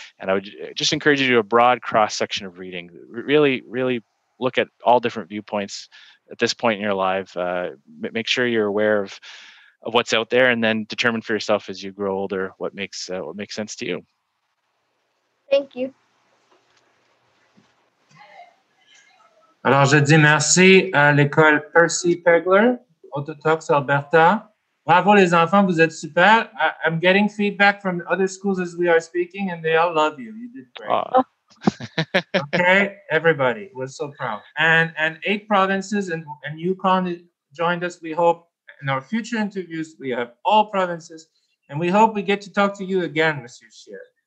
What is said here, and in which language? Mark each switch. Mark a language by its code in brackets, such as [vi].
[en] And I would just encourage you to do a broad cross-section of reading. Really, really look at all different viewpoints at this point in your life. Make sure you're aware of what's out there, and then determine for yourself as you grow older what makes sense to you. Thank you. [fr] Alors, je dis merci à l'école Percy Pegler, Autotox Alberta. Bravo, les enfants, vous êtes super. [en] I'm getting feedback from other schools as we are speaking, and they all love you. You did great. Okay, everybody, we're so proud. And eight provinces and Yukon joined us, we hope. In our future interviews, we have all provinces, and we hope we get to talk to you again, Monsieur Scheer.